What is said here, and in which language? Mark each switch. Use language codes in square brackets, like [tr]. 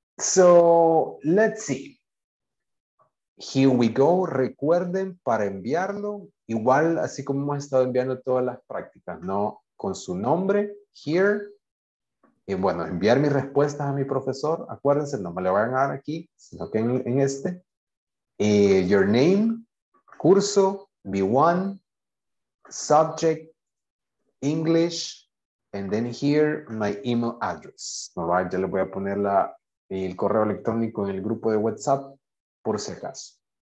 [en] So let's see. Here we go. [es] Recuerden para enviarlo, igual así como hemos estado enviando todas las prácticas, ¿no? Con su nombre, [en] here, [es] Y bueno, enviar mis respuestas a mi profesor. Acuérdense, no me lo van a dar aquí, sino que en este. [en] Your name, curso, B1, subject, English, and then here, my email address. [es] All right, ya le voy a poner la, el correo electrónico en el grupo de WhatsApp, por si acaso.